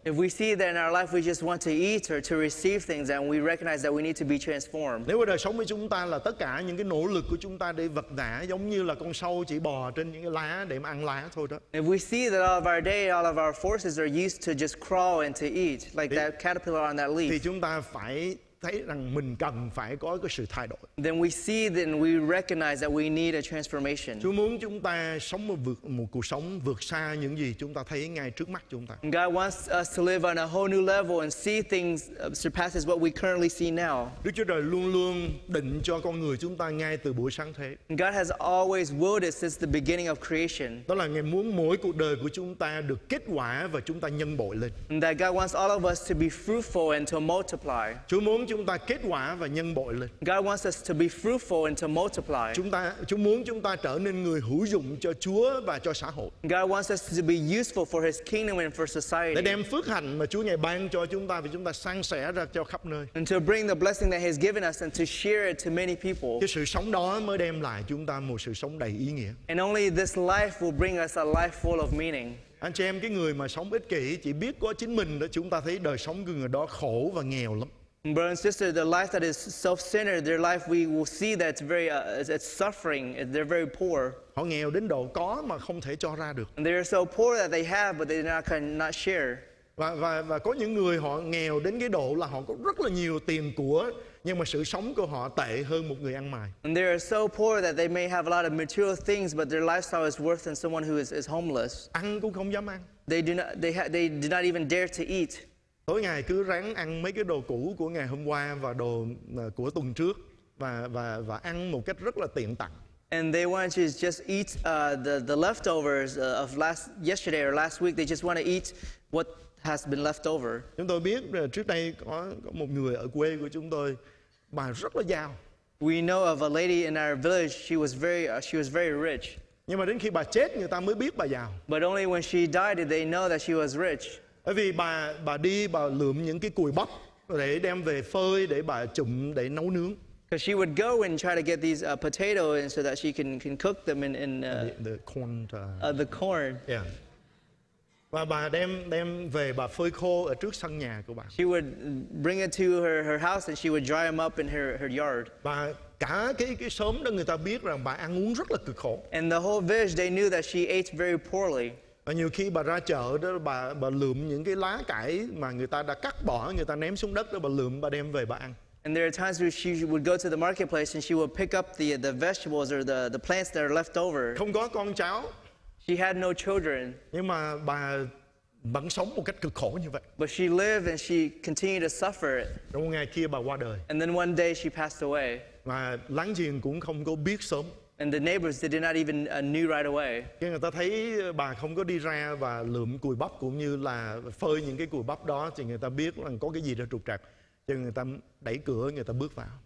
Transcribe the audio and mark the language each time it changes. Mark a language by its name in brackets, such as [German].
[English] If we see that in our life we just want to eat or to receive things, and we recognize that we need to be transformed. [Vietnamese] Nếu đời sống của chúng ta là tất cả những cái nỗ lực của chúng ta để vật vã, giống như là con sâu chỉ bò trên những cái lá để mà ăn lá thôi đó. [English] If we see that all of our day, all of our forces are used to just crawl and to eat, like that caterpillar on that leaf. [Vietnamese] Thì chúng ta phải thấy rằng mình cần phải có cái sự thay đổi. [English] Then we see, then we recognize that we need a transformation. [Vietnamese] Chúa muốn chúng ta sống một cuộc sống vượt xa những gì chúng ta thấy ngay trước mắt chúng ta. [English] God wants us to live on a whole new level and see things surpasses what we currently see now. [Vietnamese] Đức Chúa Trời luôn luôn định cho con người chúng ta ngay từ buổi sáng thế. [English] God has always willed it since the beginning of creation. [Vietnamese] Đó là Ngài muốn mỗi cuộc đời của chúng ta được kết quả và chúng ta nhân bội lên. [English] And that God wants all of us to be fruitful and to multiply. [Vietnamese] Chúa muốn chúng ta kết quả và nhân bội lên. [English] God wants us to be fruitful and to multiply. [Vietnamese] Chúa muốn chúng ta trở nên người hữu dụng cho Chúa và cho xã hội. [English] God wants us to be useful for His kingdom and for society. [Vietnamese] Để đem phước hạnh mà Chúa Ngài ban cho chúng ta và chúng ta san sẻ ra cho khắp nơi. [English] And to bring the blessing that He has given us and to share it to many people. [Vietnamese] Cái sự sống đó mới đem lại chúng ta một sự sống đầy ý nghĩa. [English] And only this life will bring us a life full of meaning. [Vietnamese] Anh chị em, cái người mà sống ích kỷ chỉ biết có chính mình đó, chúng ta thấy đời sống của người đó khổ và nghèo lắm. [English] Brother and sister, the life that is self-centered, their life we will see that it's suffering. They're very poor. [Vietnamese] Họ nghèo đến độ có mà không thể cho ra được. [English] And they are so poor that they have, but they cannot share. [Vietnamese] Và có những người họ nghèo đến cái độ là họ có rất là nhiều tiền của, nhưng mà sự sống của họ tệ hơn một người ăn mày. [English] And they are so poor that they may have a lot of material things, but their lifestyle is worse than someone who is homeless. [Vietnamese] Ăn cũng không dám ăn. [English] They do not even dare to eat. [Vietnamese] Tối ngày cứ ráng ăn mấy cái đồ cũ của ngày hôm qua và đồ của tuần trước và ăn một cách rất là tiện tặng. [English] And they want to just eat the leftovers of yesterday or last week. They just want to eat what has been left over. [Vietnamese] Chúng tôi biết trước đây có một người ở quê của chúng tôi, bà rất là giàu. [English] We know of a lady in our village. She was very rich. [Vietnamese] Nhưng mà đến khi bà chết, người ta mới biết bà giàu. [English] But only when she died did they know that she was rich. [Vietnamese] Bởi vì bà đi bà lượm những cái cùi bắp để đem về phơi để bà chụm để nấu nướng. [English] Because she would go and try to get these potatoes and so that she can cook them in the corn. Yeah. [Vietnamese] Và bà đem về bà phơi khô ở trước sân nhà của bà. [English] She would bring it to her house and she would dry them up in her yard. [Vietnamese] Bà cả cái xóm đó người ta biết rằng bà ăn uống rất là cực khổ. [English] And the whole village they knew that she ate very poorly. [Vietnamese] Và nhiều khi bà ra chợ đó, bà lượm những cái lá cải mà người ta đã cắt bỏ, người ta ném xuống đất đó, bà lượm, bà đem về bà ăn. [English] And there are times where she would go to the marketplace and she would pick up the vegetables or the plants that are left over. [Vietnamese] Không có con cháu. [English] She had no children. [Vietnamese] Nhưng mà bà vẫn sống một cách cực khổ như vậy. [English] But she lived and she continued to suffer. [Vietnamese] Rồi một ngày kia bà qua đời. [English] And then one day she passed away. [Vietnamese] Mà láng giềng cũng không có biết sớm. [English] And the neighbors they did not even knew right away. [Vietnamese] Khi người ta thấy bà không có đi ra và lượm cùi bắp cũng như là phơi những cái cùi bắp đó thì người ta biết rằng có cái gì đó trục trặc. Cho người ta đẩy cửa người ta bước vào.